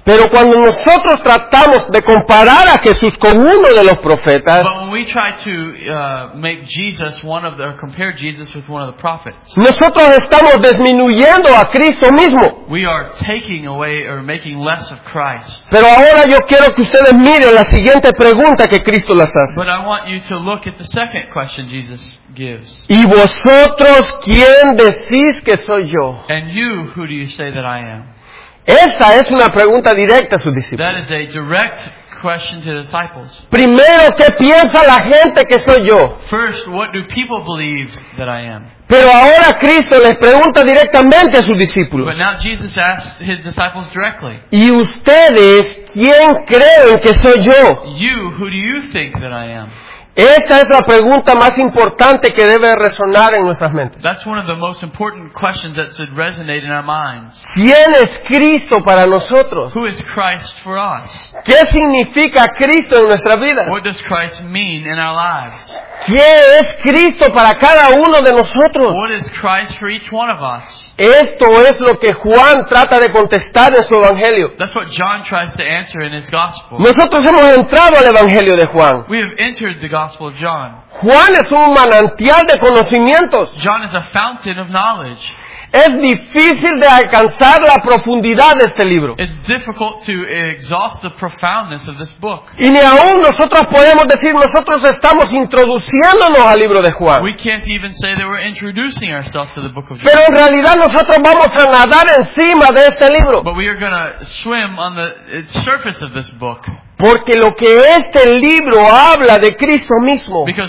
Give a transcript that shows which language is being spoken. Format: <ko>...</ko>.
<es>Pero cuando nosotros tratamos de comparar a Jesús con uno de los profetas,</es> <en>but when we try to make Jesus one of the, or compare Jesus with one of the prophets,</en> <es>nosotros estamos disminuyendo a Cristo mismo.</es> <en>We are taking away or making less of Christ.</en> <es>Pero ahora yo quiero que ustedes miren la siguiente pregunta que Cristo les hace.</es> <en>But I want you to look at the second question Jesus gives.</en> <es>¿Y vosotros quién decís que soy yo?</es> <en>And you, who do you say that I am?</en> <es>Esta es una pregunta directa a sus discípulos.</es> <en>That is a direct question to the disciples.</en> <es>Primero, ¿qué piensa la gente que soy yo?</es> <en>First, what do people believe that I am?</en> <es>Pero ahora Cristo les pregunta directamente a sus discípulos.</es> <en>But now Jesus asks his disciples directly.</en> <es>¿Y ustedes quién creen que soy yo?</es> <en>You, who do you think that I am?</en> <es>Esta es la pregunta más importante que debe resonar en nuestras mentes.</es> <en>That's one of the most important questions that should resonate in our minds.</en> <es>¿Quién es Cristo para nosotros?</es> <en>Who is Christ for us?</en> <es>¿Qué significa Cristo en nuestra vida?</es> <en>What does Christ mean in our lives?</en> <es>¿Qué es Cristo para cada uno de nosotros?</es> <en>What is Christ for each one of us?</en> <es>Esto es lo que Juan trata de contestar en su evangelio.</es> <en>That's what John tries to answer in his gospel.</en> <es>Nosotros hemos entrado al evangelio de Juan.</es> <en>We have entered the gospel of John.</en> <es>Juan es un manantial de conocimientos.</es> <en>John is a fountain of knowledge.</en> <es>Es difícil de alcanzar la profundidad de este libro.</es> <en>It's difficult to exhaust the profoundness of this book.</en> <es>Y ni aún nosotros podemos decir nosotros estamos introduciéndonos al libro de Juan.</es> <en>We can't even say that we're introducing ourselves to the book of John.</en> <es>Pero en realidad nosotros vamos a nadar encima de este libro.</es> <en>But we are going to swim on the surface of this book.</en> <es>Porque lo que este libro habla de Cristo mismo</es>